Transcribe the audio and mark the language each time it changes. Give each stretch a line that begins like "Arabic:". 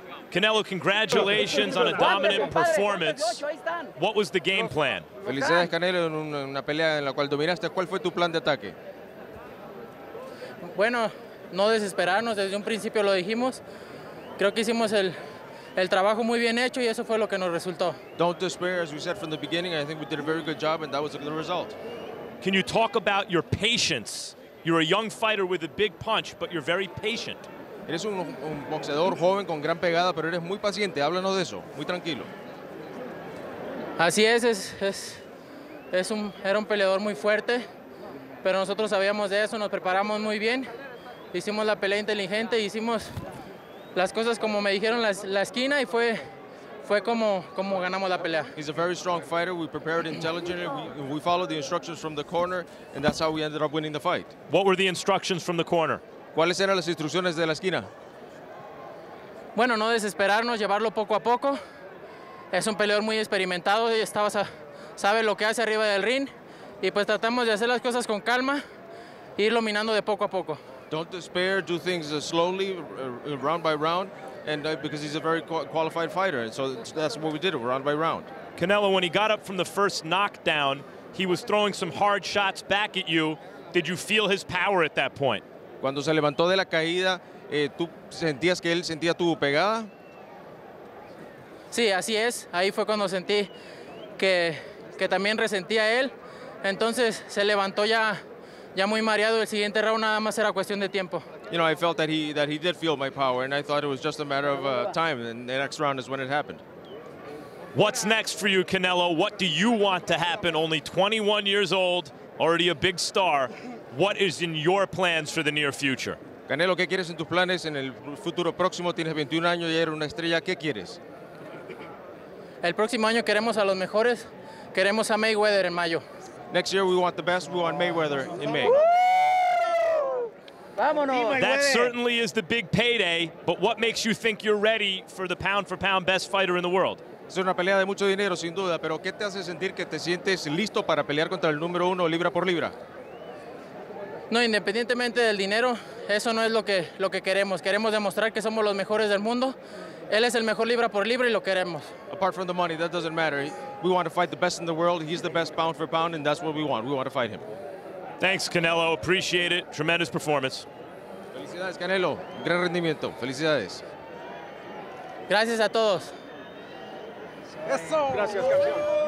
English: Canelo, congratulations on a dominant performance. What was the game plan?
Spanish: Felicidades, Canelo, en una pelea en la cual dominaste. ¿Cuál fue tu plan de ataque? Bueno, no desesperarnos. Desde un principio lo dijimos. Creo que hicimos el trabajo muy bien hecho y eso fue lo que nos resultó.
English: Don't despair, as we said from the beginning. I think we did a very good job and that was a good result. Can you talk about your patience? You're a young fighter with a big punch, but you're very patient.
Spanish: Eres un boxeador joven con gran pegada, pero eres muy paciente. Háblanos de eso. Muy tranquilo. Así era un peleador muy fuerte, pero nosotros sabíamos de eso, nos preparamos muy bien. Hicimos la pelea inteligente, hicimos las cosas como me dijeron la esquina y fue fue como ganamos la pelea.
English: He's a very strong fighter. We prepared intelligently. We followed the instructions from the corner, and that's how we ended up winning the fight. What were the instructions from the corner?
Spanish: ¿Cuáles eran las instrucciones de la esquina? Bueno, no desesperarnos, llevarlo poco a poco. Es un peleador muy experimentado y sabe lo que hace arriba del ring. Y pues tratamos de hacer las cosas con calma, ir dominando de poco a poco.
English: Don't despair, do things slowly, round by round, because he's a very qualified fighter. And so that's what we did, round by round. Canelo, when he got up from the first knockdown, he was throwing some hard shots back at you. Did you feel his power at that point?
Spanish: Cuando se levantó de la caída, ¿tú sentías que él sentía tu pegada? Sí, así es. Ahí fue cuando sentí que también resentía él. Entonces se levantó ya muy mareado. El siguiente round nada más era cuestión de tiempo.
English: You know, I felt that he did feel my power, and I thought it was just a matter of time. And the next round is when it happened. What's next for you, Canelo? What do you want to happen? Only 21 years old, already a big star. What is in your plans for the near future?
Spanish: Canelo, ¿qué quieres en tus planes en el futuro próximo? Tienes 21 años y eres una estrella. ¿Qué quieres? El próximo año queremos a los mejores. Queremos a Mayweather en mayo.
English: Next year we want the best. We want Mayweather in May.
Spanish: Vámonos.
English: That certainly is the big payday. But what makes you think you're ready for the pound-for-pound best fighter in the world?
Spanish: Es una pelea de mucho dinero, sin duda. Pero ¿qué te hace sentir que te sientes listo para pelear contra el número uno libra por libra? No, independientemente del dinero, eso no es lo que queremos. Queremos demostrar que somos los mejores del mundo. Él es el mejor libra por libra y lo queremos.
English: Apart from the money, that doesn't matter. We want to fight the best in the world. He's the best pound for pound, and that's what we want. We want to fight him. Thanks, Canelo. Appreciate it. Tremendous performance.
Spanish: Felicidades, Canelo. Gran rendimiento. Felicidades. Gracias a todos. Eso. Gracias, campeón.